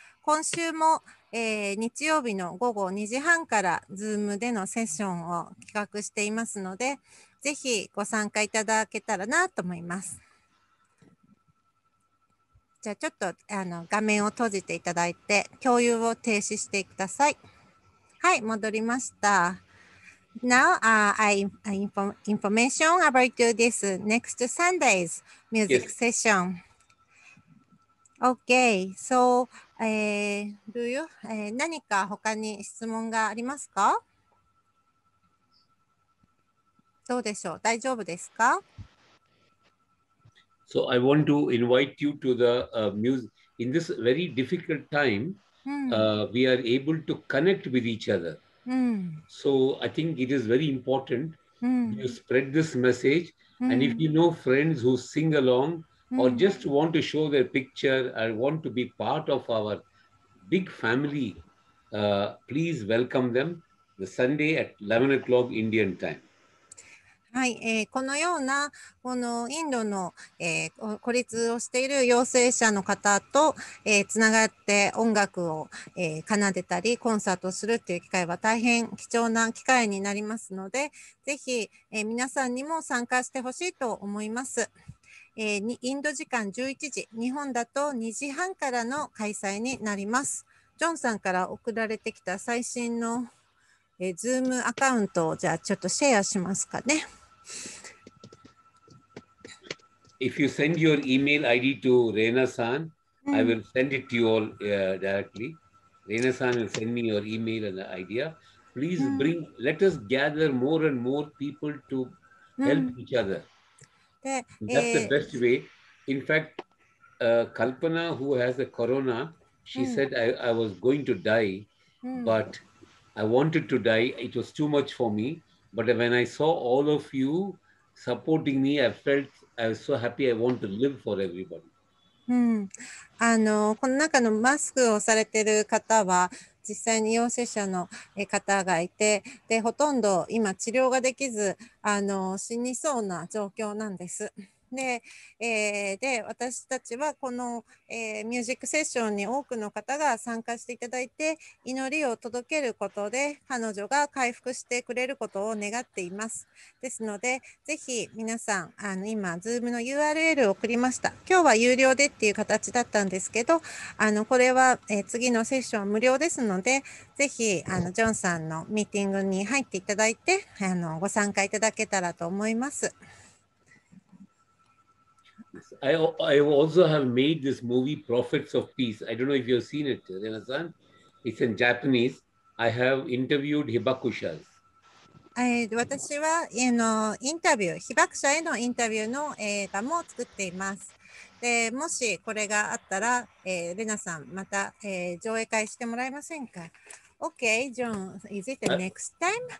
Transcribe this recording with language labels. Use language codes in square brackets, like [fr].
[ja] 今週も、日曜日の午後2時半からズームでのセッションを企画していますので、ぜひご参加いただけたらなと思います。じゃあちょっと画面を閉じていただいて共有を停止してください。はい、戻りました。 [en] Now, information about this next Sunday's music session. [ja] Okay, so, 何か他に質問がありますか？どうでしょう？大丈夫ですか？ [en] So I want to invite you to the music. In this very difficult time, we are able to connect with each other. So I think it is very important you spread this message. And if you know friends who sing along or just want to show their picture or want to be part of our big family, please welcome them the Sunday at 11 o'clock Indian time. [ja] はい、このようなこのインドの、孤立をしている陽性者の方と、つながって音楽を、奏でたりコンサートするっていう機会は大変貴重な機会になりますので、ぜひ、皆さんにも参加してほしいと思います。インド時間11時、日本だと2時半からの開催になります。ジョンさんから送られてきた最新のズームアカウントをじゃあちょっとシェアしますかね。 [en] If you send your email ID to Reina san, I will send it to you all directly. Reina san will send me your email and idea. Please bring, let us gather more and more people to help each other. That's the best way. In fact, Kalpana, who has a corona, she said I was going to die, but. I wanted to die. It was too much for me. But when I saw all of you supporting me, I was so happy. I want to live for everybody. [ja] この中のマスクをされている方は、実際に陽性者の方がいて、で、ほとんど今治療ができず、死にそうな状況なんです。で私たちはこの、ミュージックセッションに多くの方が参加していただいて、祈りを届けることで彼女が回復してくれることを願っています。ですので、ぜひ皆さん、今 Zoom の URL を送りました。今日は有料でっていう形だったんですけど、これは、次のセッションは無料ですので、ぜひジョンさんのミーティングに入っていただいて、ご参加いただけたらと思います。 [en] I also have made this movie Prophets of Peace. I don't know if you've seen it, Renasan. It's in Japanese. I have interviewed Hibakushas. [ja] 私はインタビュー、被爆者へのインタビューの映画も作っています。で、もしこれがあったら、レナさん、また、上映会してもらえませんか？ [en] Okay, John, is it the next time?